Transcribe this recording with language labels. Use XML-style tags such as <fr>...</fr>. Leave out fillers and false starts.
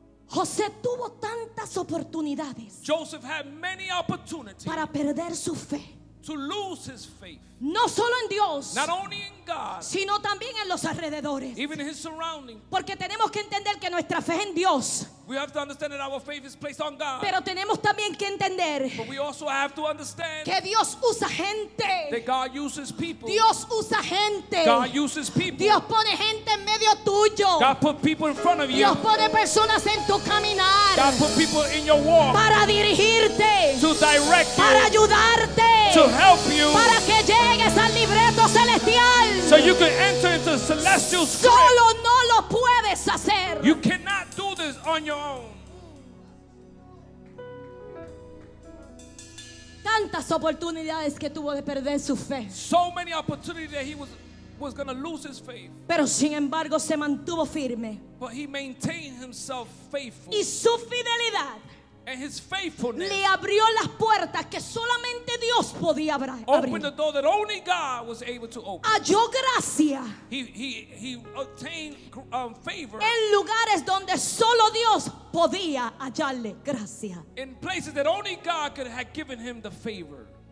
<es>José tuvo tantas oportunidades.</es> <en>Joseph had many opportunities.</en> <es>Para perder su fe.</es> <en>To lose his faith.</en> <es>No solo en Dios.</es> <en>Not only in God.</en> <es>Sino también en los alrededores.</es> <en>Even in his surroundings.</en> <es>Porque tenemos que entender que nuestra fe es en Dios.</es> <en>We have to understand that our faith is placed on God.</en> <es>Pero tenemos también que entender.</es> <en>But we also have to understand.</en> <es>Que Dios usa gente.</es> <en>That God uses people.</en> <es>Dios usa gente.</es> <en>God uses people.</en> <es>Dios pone gente en medio tuyo.</es> <en>God put people in front of you.</en> <es>Dios pone personas en tu caminar.</es> <en>God put people in your walk.</en> <es>Para dirigirte.</es> <en>To direct you.</en> <es>Para ayudarte.</es> <en>To help you.</en> <es>Para que llegues al libreto celestial.</es> <en>So you can enter into the celestial script.</en> <es>Solo no lo puedes hacer.</es> <en>You cannot do this on your own.</en> <es>Tantas oportunidades que tuvo de perder su fe.</es> <en>So many opportunities that he was going to lose his faith.</en> <es>Pero sin embargo se mantuvo firme.</es> <en>But he maintained himself faithful.</en> <es>Y su fidelidad.</es> <en>and his faithfulness.</en> <es>Le abrió las puertas que solamente Dios podía abrir.</es> <en>Opened the door that only God was able to open.</en> <es>Halló gracia.</es> <en>He obtained favor.</en> <es>En lugares donde solo Dios podía hallarle gracia.</es> <en>In places that only God could have given him the favor.</en>